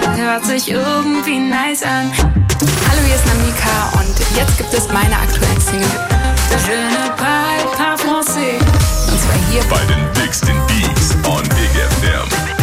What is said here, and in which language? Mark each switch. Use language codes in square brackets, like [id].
[de] Hört sich irgendwie nice an. Hallo, hier ist Namika und jetzt gibt es meine aktuellen Single. [fr] Je ne parle pas français. [de] Und zwar hier bei den Bigsten Beats on Big FM.